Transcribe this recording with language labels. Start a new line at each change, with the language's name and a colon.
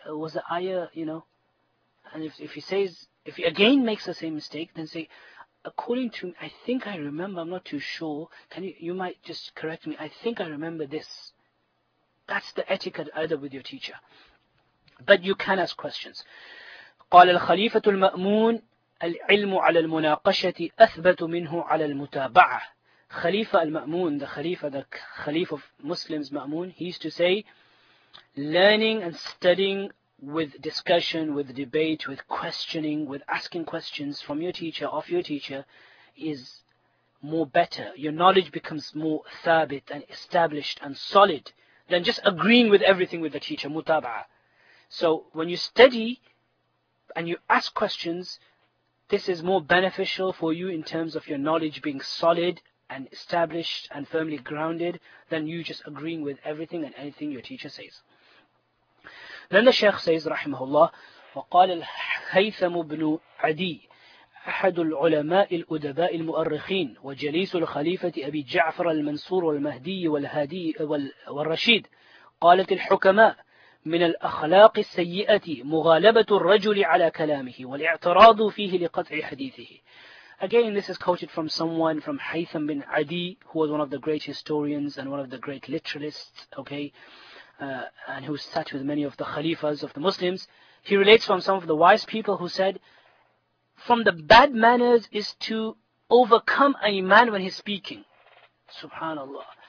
English: Was the ayah, you know? And if he again makes the same mistake, then say, according to, I think I remember, I'm not too sure. You might just correct me. I think I remember this. That's the etiquette either with your teacher. But you can ask questions.
Arabic: قال الخليفة المأمون العلم على المناقشة أثبت منه على المتابعة.
English: خليفة المأمون, the Khalifa of Muslims, Ma'mun, he used to say, learning and studying with discussion, with debate, with questioning, with asking questions from your teacher, of your teacher, is more better. Your knowledge becomes more thabit and established and solid than just agreeing with everything with the teacher, mutaba'a. So when you study and you ask questions, this is more beneficial for you in terms of your knowledge being solid and established and firmly grounded than you just agreeing with everything and anything your teacher says. Then the Shaykh says, Rahimahullah,
Arabic: وَقَالَ الْهَيْثَمُ بْنُ عَدِيٍّ أحد العلماء الأدباء المؤرخين وجليس الخليفة أبي جعفر المنصور والمهدي والهادي والرشيد قالت الحكماء من الأخلاق السيئة مغالبة الرجل على كلامه والاعتراض فيه لقطع حديثه.
English: Again, this is quoted from someone from Haytham bin Adi, who was one of the great historians and one of the great literalists, okay, and who sat with many of the khalifas of the Muslims. He relates from some of the wise people who said, from the bad manners is to overcome a man when he's speaking. Subhanallah.